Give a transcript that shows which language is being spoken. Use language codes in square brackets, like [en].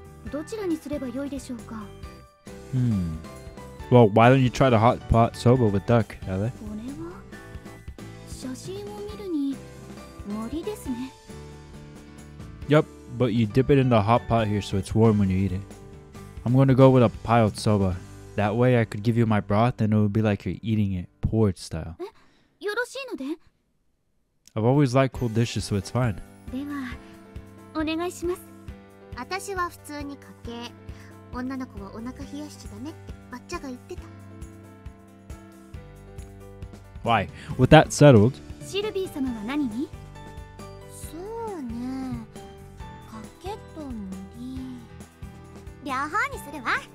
[ja] どちらにすればよいでしょうか。 [en] Well, why don't you try the hot pot soba with duck, Elle? [ja] これは写真を見るに森ですね。 [en] Yep, but you dip it in the hot pot here so it's warm when you eat it. I'm going to go with a piled soba. That way I could give you my broth and it would be like you're eating it, poured style. [ja] え、よろしいので [en] ?I've always liked cold dishes, so it's fine. [ja] では、お願いします。私は普通にかけ、女の子はお腹冷やしちゃダメってバッチャが言ってた。 [en] Why? With that settled? [ja] シルビー様は何に？そうね、かけと森、両方にするわ。